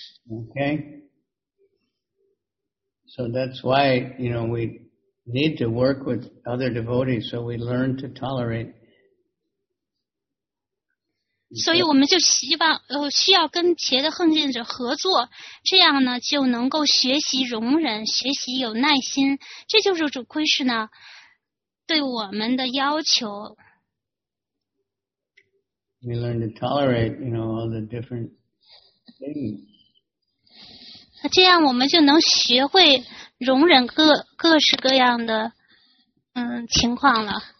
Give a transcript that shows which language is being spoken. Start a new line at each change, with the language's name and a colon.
English: Okay, so that's why, you know, we need to work with other devotees so we learn to tolerate.
Chinese: 所以我们就希望需要跟别的奉献者合作，这样呢就能够学习容忍，学习有耐心，这就是主库什呢对我们的要求。
English: We learn to tolerate, you know, all the different things.
Chinese: 这样我们就能学会容忍各式各样的情况了。